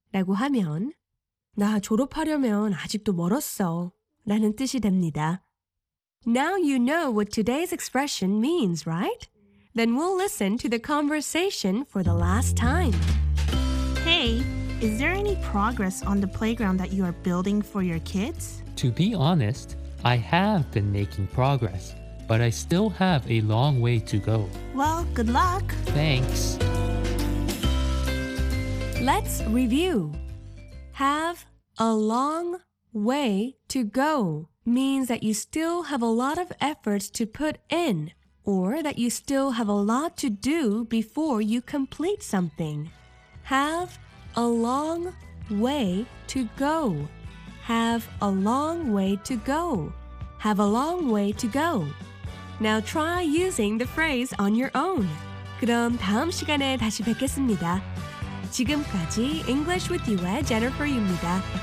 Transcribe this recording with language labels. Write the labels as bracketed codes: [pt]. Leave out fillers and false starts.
[ko] 라고 하면 나 졸업하려면 아직도 멀었어 라는 뜻이 됩니다. [en] Now you know what today's expression means, right? Then we'll listen to the conversation for the last time. Hey! Is there any progress on the playground that you are building for your kids? To be honest, I have been making progress, but I still have a long way to go. Well, good luck. Thanks. Let's review. Have a long way to go means that you still have a lot of efforts to put in, or that you still have a lot to do before you complete something. Have a long way to go. Have a long way to go. Have a long way to go. Now try using the phrase on your own. [ko] 그럼 다음 시간에 다시 뵙겠습니다. 지금까지 English with You의 Jennifer 유입니다.